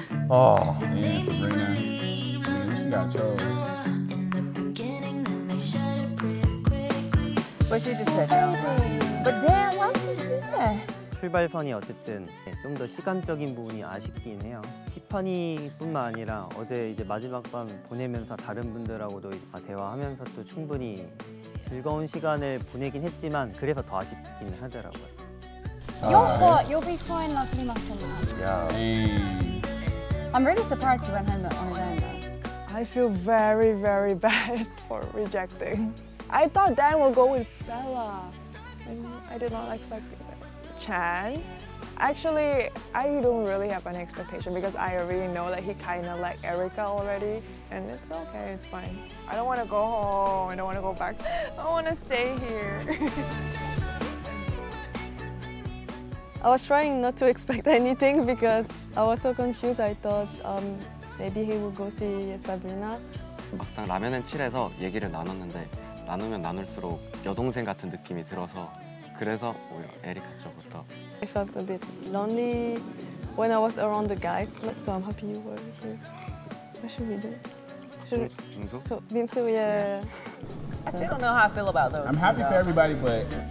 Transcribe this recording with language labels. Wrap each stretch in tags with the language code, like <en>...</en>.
<en>Oh, man, Sabrina. Yeah, she got chose. What did you say? But damn, why did you say?</en> <ko>출발선이 어쨌든 좀 더 시간적인 부분이 아쉽긴 해요. 티파니뿐만 아니라 어제 이제 마지막 밤 보내면서 다른 분들하고도 대화하면서 또 충분히 즐거운 시간을 보내긴 했지만 그래서 더 아쉽긴 하더라고요.</ko> <en>You'll be fine, lovely muscle man. Yeah. I'm really surprised he went home on his own though. I feel very, very bad for rejecting. I thought Dan would go with Bella. I did not expect Chan. Actually, I don't really have any expectation because I already know that he kind of liked Erica already. And it's okay, it's fine. I don't want to go home. I don't want to go back. I want to stay here. I was trying not to expect anything because I was so confused. I thought maybe he would go see Sabrina.</en> <ko>막상 라면 and chill에서 얘기를 나눴는데 나누면 나눌수록 여동생 같은 느낌이 들어서 그래서 오히려 에리카 쪽부터.</ko> <en>I felt a bit lonely when I was around the guys, so I'm happy you were here. What should we do? Minsu? So Minsu, yeah. I still don't know how I feel about those. I'm happy for everybody, but.</en>